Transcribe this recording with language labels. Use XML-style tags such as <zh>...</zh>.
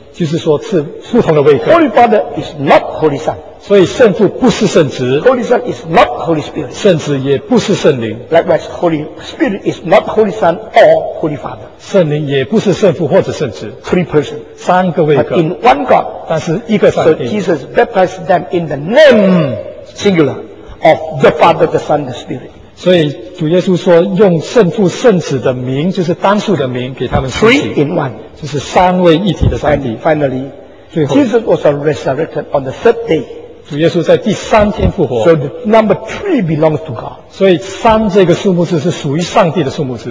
<zh>就是说是不同的位格。</zh> <en>Holy Father is not Holy Son.</en> <zh>所以圣父不是圣子</zh> <en>Holy Son is not Holy Spirit</en> <zh>圣子也不是圣灵</zh> <en>Likewise Holy Spirit is not Holy Son or Holy Father</en> <zh>圣灵也不是圣父或者圣子</zh> <en>Three persons</en> <zh>三个位格</zh> <en>But in one God</en> <zh>但是一个上帝</zh> <en>So Jesus baptized them in the name singular of the Father, the Son, the Spirit</en> <zh>所以主耶稣说用圣父圣子的名就是单数的名给他们施洗</zh> <en>Three in one</en> <zh>就是三位一体的上帝</zh> <en>Finally</en> <zh>最后</zh> <en>Jesus was resurrected on the third day</en> <zh>主耶稣在第三天复活</zh> <en>So the number three belongs to God</en> <zh>所以三这个数目字是属于上帝的数目字</zh>